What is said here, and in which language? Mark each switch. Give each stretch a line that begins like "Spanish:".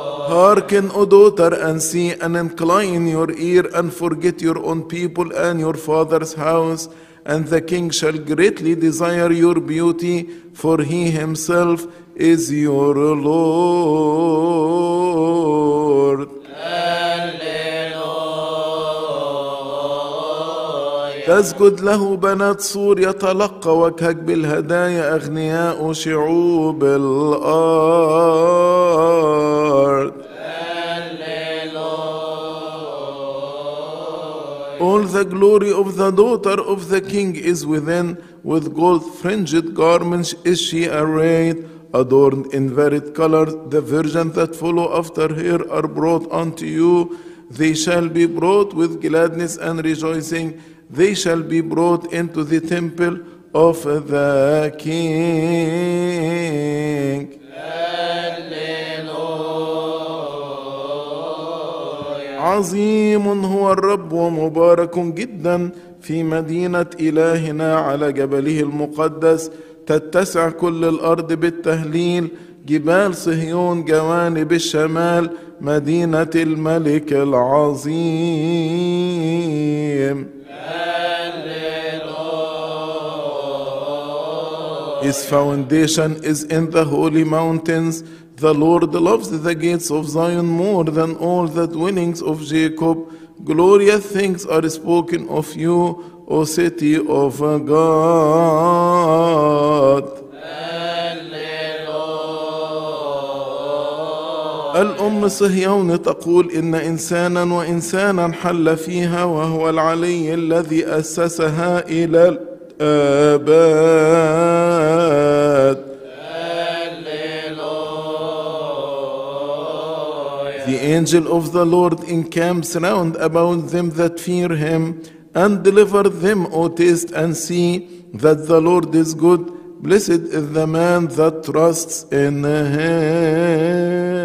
English: Hark in, O daughter, and see, and incline your ear, and forget your own people and your father's house, and the king shall greatly desire your beauty, for he himself is your Lord.
Arabic: تسجد له بنات صور، يتلقى وجهك بالهدايا أغنياء شعوب الأرض.
English: All the glory of the daughter of the king is within. With gold-fringed garments is she arrayed, adorned in varied colors. The virgins that follow after her are brought unto you. They shall be brought with gladness and rejoicing. They shall be brought into the temple of the king.
Arabic: عظيم هو الرب ومبارك جدا في مدينة إلهنا على جبله المقدس، تتسع كل الأرض بالتهليل، جبال صهيون جوانب الشمال، مدينة الملك العظيم.
English: His foundation is in the holy mountains. The Lord loves the gates of Zion more than all the dwellings of Jacob. Glorious things are spoken of you, O city of God.
Arabic: الأم صهيون تقول إن إنسانا وإنسانا حل فيها، وهو العلي الذي أسسها إلى الأبد.
English: The angel of the Lord encamps round about them that fear him, and deliver them, O taste and see, that the Lord is good. Blessed is the man that trusts in him.